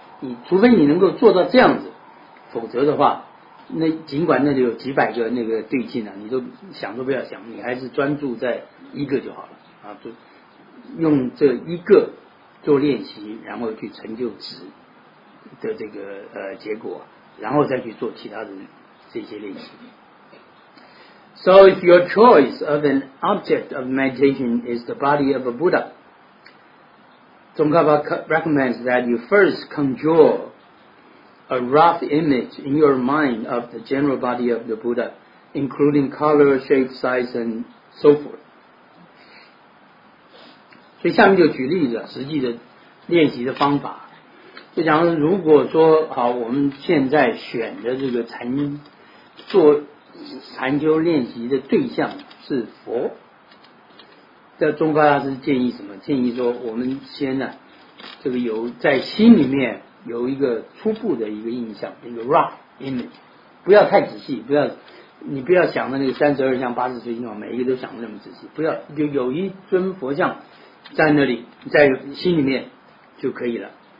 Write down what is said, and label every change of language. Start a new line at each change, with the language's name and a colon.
Chinese: 你除非你能够做到这样子。否则的话，那尽管那里有几百个那个对境啊，你都想都不要想，你还是专注在一个就好了啊，就用这一个做练习，然后去成就止的这个结果，然后再去做其他的这些练习。
English: So if your choice of an object of meditation is the body of a Buddha, Tsongkhapa recommends that you first conjure a rough image in your mind of the general body of the Buddha, including color, shape, size, and so forth.
Chinese: 所以下面就举例子，实际的练习的方法。就讲如果说好，我们现在选的这个禅修练习的对象是佛，这宗喀大师建议什么？建议说我们先呢，这个有在心里面有一个初步的一个印象，一个
English: rough image，
Chinese: 不要太仔细，不要你不要想的那个三十二相八十随心，每一个都想的那么仔细，不要就有一尊佛像在那里，在心里面就可以了。